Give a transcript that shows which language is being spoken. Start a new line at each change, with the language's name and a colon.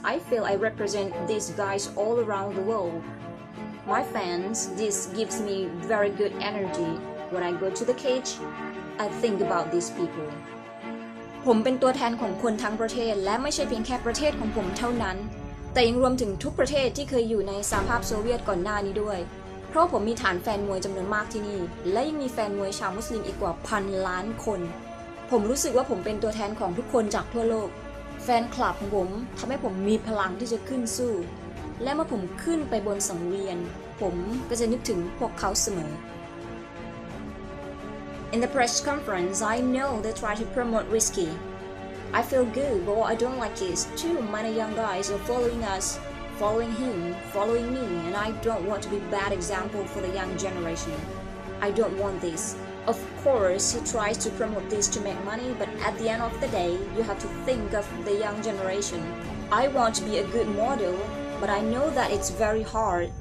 English: I feel I represent these guys all around the world. My fans, this gives me very good energy. When I go to the cage, I think about these people.
Thai: ผมเป็นตัวแทนของคนทั้งประเทศและไม่ใช่เพียงแค่ประเทศของผมเท่านั้นแต่ยังรวมถึงทุกประเทศที่เคยอยู่ในสหภาพโซเวียตก่อนหน้านี้ด้วยเพราะผมมีฐานแฟนมวยจำนวนมากที่นี่และยังมีแฟนมวยชาวมุสลิมอีกกว่าพันล้านคน ผมรู้สึกว่าผมเป็นตัวแทนของทุกคนจากทั่วโลกแฟนคลับของผมทำให้ผมมีพลังที่จะขึ้นสู้และเมื่อผมขึ้นไปบนสังเวียนผมก็จะนึกถึงพวกเขาเสมอ
English: In the press conference I know they try to promote whiskey I feel good but what I don't like is too many young guys are following usfollowing him, following me, and I don't want to be bad example for the young generation. I don't want this. Of course, he tries to promote this to make money, but at the end of the day, you have to think of the young generation. I want to be a good model, but I know that it's very hard.